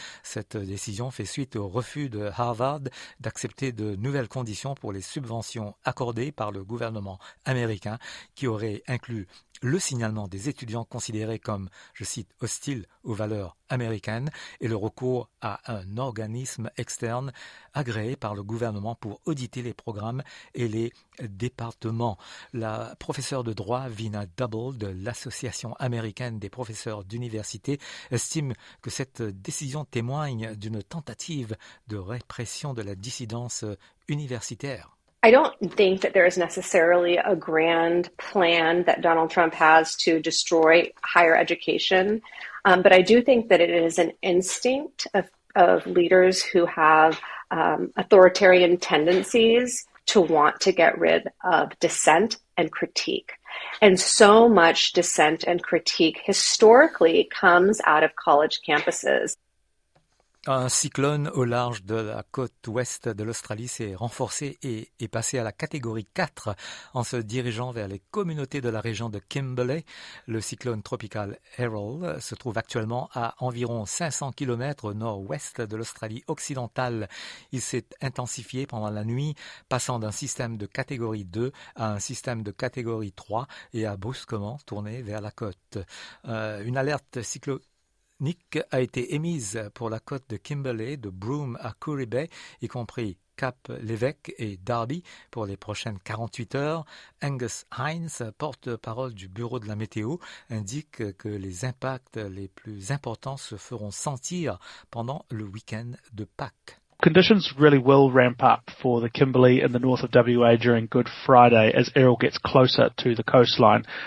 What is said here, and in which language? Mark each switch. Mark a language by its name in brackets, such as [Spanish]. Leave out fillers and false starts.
[French] Cette décision fait suite au refus de Harvard d'accepter de nouvelles conditions pour les subventions accordées par le gouvernement américain qui auraient inclus le signalement des étudiants considérés comme, je cite, « hostiles aux valeurs américaines » et le recours à un organisme externe agréé par le gouvernement pour auditer les programmes et les départements. La professeure de droit Vina Double de l'Association américaine des professeurs d'université estime que cette décision témoigne d'une tentative de répression de la dissidence universitaire. [English] I don't think that there is necessarily a grand plan that Donald Trump has to destroy higher education. But I do think that it is an instinct of leaders who have authoritarian tendencies to want to get rid of dissent and critique. And so much dissent and critique historically comes out of college campuses. [French] Un cyclone au large de la côte ouest de l'Australie s'est renforcé et est passé à la catégorie 4 en se dirigeant vers les communautés de la région de Kimberley. Le cyclone tropical Errol se trouve actuellement à environ 500 km au nord-ouest de l'Australie occidentale. Il s'est intensifié pendant la nuit, passant d'un système de catégorie 2 à un système de catégorie 3 et a brusquement tourné vers la côte. Une alerte cyclone Nick a été émise pour la côte de Kimberley, de Broome à Coorie Bay, y compris Cap Lévesque et Derby, pour les prochaines 48 heures. Angus Hines, porte-parole du Bureau de la météo, indique que les impacts les plus importants se feront sentir pendant le week-end de Pâques. [English] Conditions really will ramp up for the Kimberley in the north of WA during Good Friday as Errol gets closer to the coastline.